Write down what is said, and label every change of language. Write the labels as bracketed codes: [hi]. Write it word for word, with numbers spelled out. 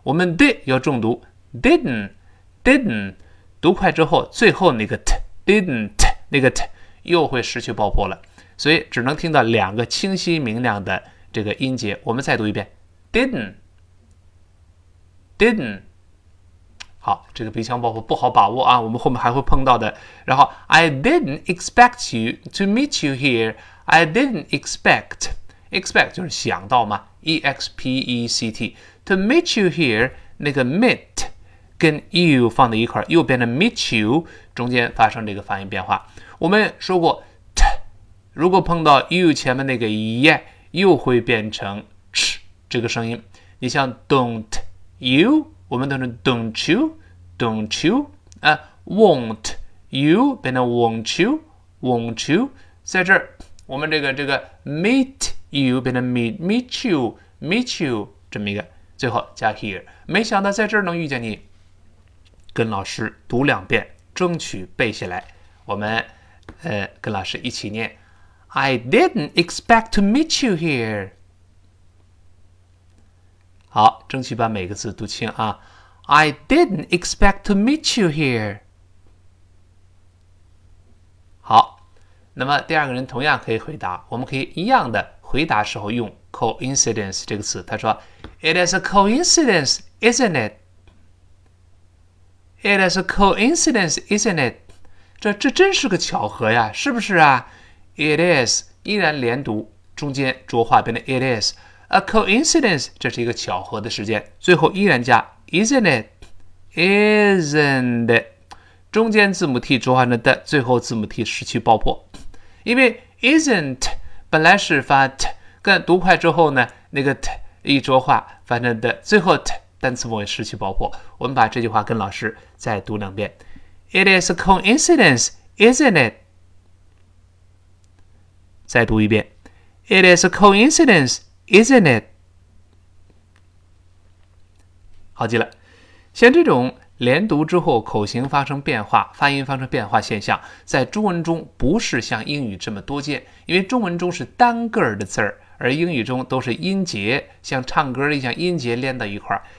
[zh] 我们 did 要重读 didn't didn't， 读快之后最后那个 t didn't那个 t 又会失去爆破了，所以只能听到两个清晰明亮的这个音节。我们再读一遍 didn't [en] didn't。 [zh] 好，这个鼻腔爆破不好把握啊，我们后面还会碰到的。然后 [en] I didn't expect you to meet you here。 I didn't expect expect [zh] 就是想到嘛 E X P E C T [en] to meet you here， [zh] 那个 meet 跟 you 放在一块，右边的 meet you 中间发生这个发音变化。我们说过 t， 如果碰到 you 前面那个 ye 又会变成 ch 这个声音。你像 don't you 我们都是 [en] don't you don't you、 [zh] uh, won't you 变成 won't you won't you。在这儿我们这个这个 meet you 变成 meet meet you meet you 这么一个，最后加 here。没想到在这儿能遇见你，跟老师读两遍，争取背下来。我们呃跟老师一起念 [en] I didn't expect to meet you here。 [zh] 好，争取把每个字读清啊。 [en] I didn't expect to meet you here。 [zh] 好，那么第二个人同样可以回答，我们可以一样的回答时候用 coincidence 这个词。他说 [en] It is a coincidence, isn't it? It is a coincidence, isn't it? [zh] 这, 这真是个巧合呀，是不是啊？It is 依然连读，中间浊化变成 [en] It is a coincidence， [zh] 这是一个巧合的时间，最后依然加 Isn't it Isn't it， 中间字母 T 浊化成 的，最后字母 T 失去爆破。因为 Isn't 本来是发 T， 但读快之后呢，那个 T 一浊化发成的，最后 T单词末失去爆破。我们把这句话跟老师再读两遍。 [en] It is a coincidence, isn't it? [zh] 再读一遍。 [en] It is a coincidence, isn't it? [zh] 好极了。像这种连读之后口型发生变化，发音发生变化现象，在中文中不是像英语这么多见，因为中文中是单个的字儿，而英语中都是音节，像唱歌一样音节连到一块儿。